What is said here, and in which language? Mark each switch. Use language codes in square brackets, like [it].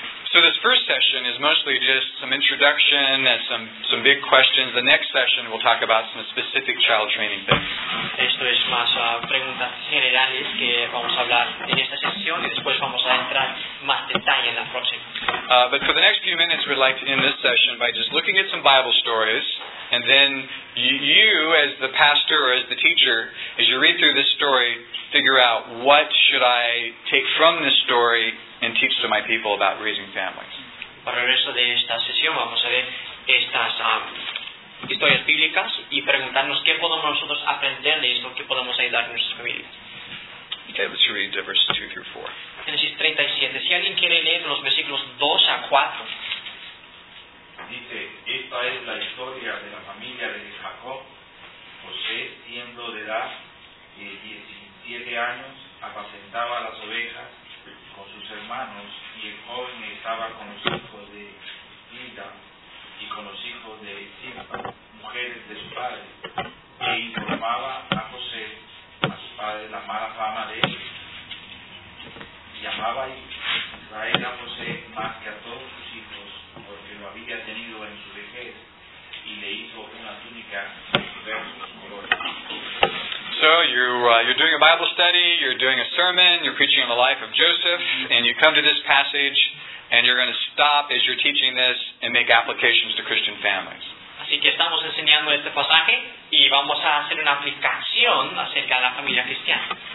[en] So this first session is mostly just some introduction and some big questions. The next session we'll talk about some specific child training things. [es] Esto es más preguntas generales que vamos a hablar en esta sesión y después vamos a entrar más detalle en la próxima. [en] But for the next few minutes we'd like to end this session by just looking at some Bible stories. And then you, as the pastor or as the teacher, as you read through this story, figure out what should I take from this story and teach to my people about raising families. [es] Para el resto de esta sesión vamos a ver estas historias bíblicas y preguntarnos qué podemos nosotros aprender de esto, qué podemos ayudar a nuestras familias. [en] Okay, let's read verses 2 through 4. [es] Génesis 37. Si alguien quiere leer los versículos 2 a 4. Dice, esta es la historia de la familia de Jacob. José, siendo de edad de 17 años, apacentaba las ovejas con sus hermanos, y el joven estaba con los hijos de Bilha y con los hijos de Zilpa, mujeres de su padre, e informaba a José, a su padre, la mala fama de él. Llamaba Israel a José más que a todos sus hijos, porque lo había tenido en su vejez y le hizo una túnica de diversos colores. [en] So you're doing a Bible study, you're doing a sermon, you're preaching on the life of Joseph, and you come to this passage, and you're going to stop as you're teaching this and make applications to Christian families. [es] Así que estamos enseñando este pasaje y vamos a hacer una aplicación acerca de la familia cristiana.